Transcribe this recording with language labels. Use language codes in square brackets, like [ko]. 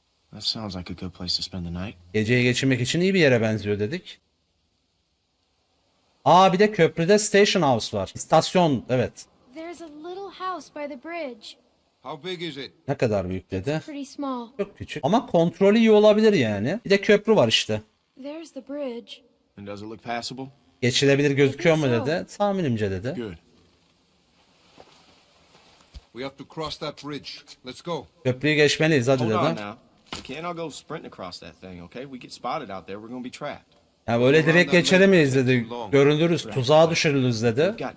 [en] That sounds like a good place to spend the night. [tr] Geceyi geçirmek için iyi bir yere benziyor dedik. Aa, bir de köprüde station house var. İstasyon, evet. [en] There's a little house by the bridge. How big is it? [tr] Ne kadar büyük dedi. [en] It's pretty small. [tr] Çok küçük. Ama kontrolü iyi olabilir yani. Bir de köprü var işte. [en] There's the bridge. And does it look passable? [tr] Geçilebilir gözüküyor mu dedi. Tahminimce dedi. [en] Good. We have to cross that bridge. Let's go. [tr] Köprüyü geçmeliyiz hadi dedi. [en] We can't all go sprinting across that thing, okay? We get spotted out there, we're gonna be trapped. [tr] Ya böyle direkt geçelimiz dedi. Görünürüz, tuzağa düşürürüz dedi.